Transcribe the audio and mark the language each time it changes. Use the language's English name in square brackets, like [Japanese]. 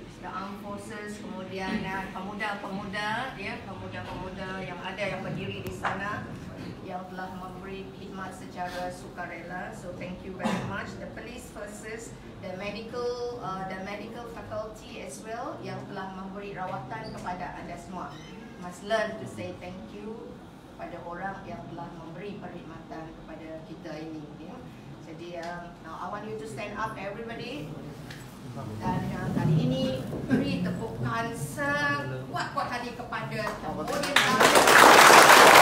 [English] the armed forces, [Malay] kemudian pemuda-pemuda, ya, pemuda-pemuda yang ada yang berdiri di sana yang telah memberi khidmat secara sukarela. [English] So thank you very much. The police forces, the medical faculty as well [Malay] yang telah memberi rawatan kepada anda semua. [English] Must learn to say thank you [Malay] kepada orang yang telah memberi perkhidmatan kepada kita ini. Ya. [English] Jadi, now I want you to stand up, everybody. [Malay] Dan kali ini beri tepukan sekuat-kuat hati kepada pemerintah.